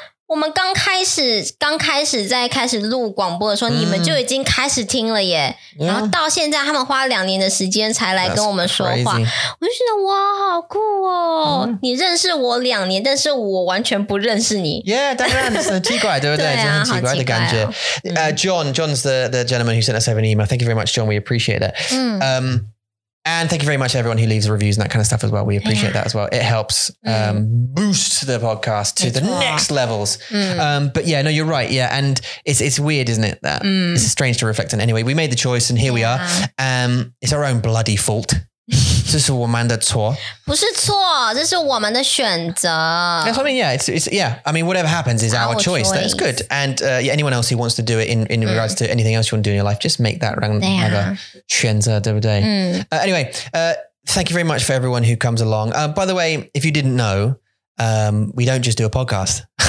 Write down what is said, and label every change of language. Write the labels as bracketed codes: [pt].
[zh] 我们刚开始在开始录广播的时候你们就已经开始听了耶、然后到现在他们花了两年的时间才来跟我们说话我就觉得哇好酷哦、你认识我两年但是我完全不认识你 Yeah, 当然很奇怪对不对对、啊、很奇怪的感觉、哦 [en] John's the gentleman who sent us over an email Thank you very much John, we appreciate it、And thank you very much everyone who leaves reviews and that kind of stuff as well. We appreciate that as well. It helps boost the podcast to the next levels. But yeah, no, you're right. Yeah. And it's weird, isn't it? That it's strange to reflect on. Anyway, we made the choice and here we are. It's our own bloody fault. [zh] 这是我们的错。不是错,这是我们的选择。 [en] Yes, I mean, yeah, I mean, whatever happens is our choice. That's good. And yeah, anyone else who wants to do it in regards to anything else you want to do in your life, just make that round of a [zh] 选择对不对。 [en] Anyway, thank you very much for everyone who comes along. By the way, if you didn't know, we don't just do a podcast.